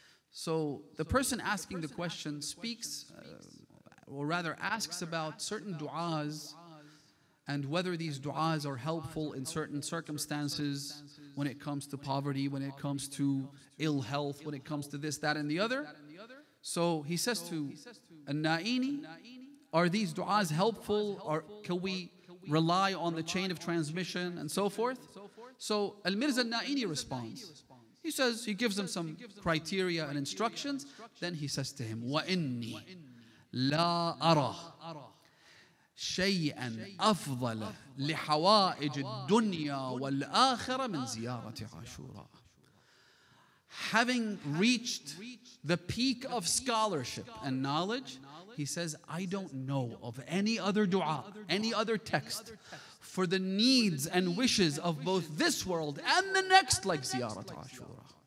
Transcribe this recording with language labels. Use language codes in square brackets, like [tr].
[en] So the person asking the question speaks, or rather asks about certain du'as and whether these du'as are helpful in certain circumstances when it comes to poverty, when it comes to ill health, when it comes to this, that, and the other. So he says to An-Na'ini, are these du'as helpful? Or can we rely on the chain of transmission and so forth? So Al-Mirza An-Na'ini responds. He says, he gives him some criteria and instructions. [ar] Then he says to him, وَإِنِّي لَا أَرَى شَيْئًا أَفْضَلَ لِحَوَائِجِ الدُّنْيَا وَالْآخِرَةِ مِنْ زِيَارَةِ عَاشُورَى. [en] Having reached the peak of scholarship and knowledge, he says, I don't know of any other dua, any other text for the needs and wishes of both this world and the next like Ziyarat Ashura.